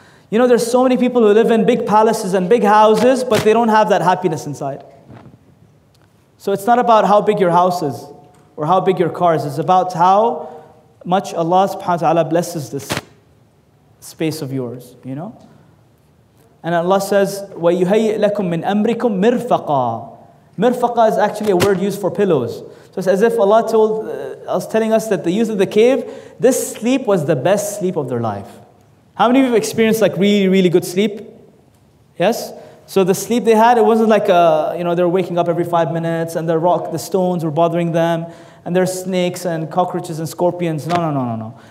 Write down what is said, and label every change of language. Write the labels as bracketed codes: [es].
[en] You know, there's so many people who live in big palaces and big houses, but they don't have that happiness inside. So it's not about how big your house is or how big your car is. It's about how much Allah subhanahu wa ta'ala blesses this space of yours, you know? And Allah says, [ar] وَيُهَيِّئْ لَكُم مِّنْ أَمْرِكُم مِرْفَقًا. [en] مِرْفَقًا is actually a word used for pillows. So it's as if Allah was telling us that the youth of the cave, this sleep was the best sleep of their life. How many of you have experienced like really, really good sleep? Yes? So the sleep they had, it wasn't like, they're waking up every 5 minutes and the stones were bothering them and there's snakes and cockroaches and scorpions. No.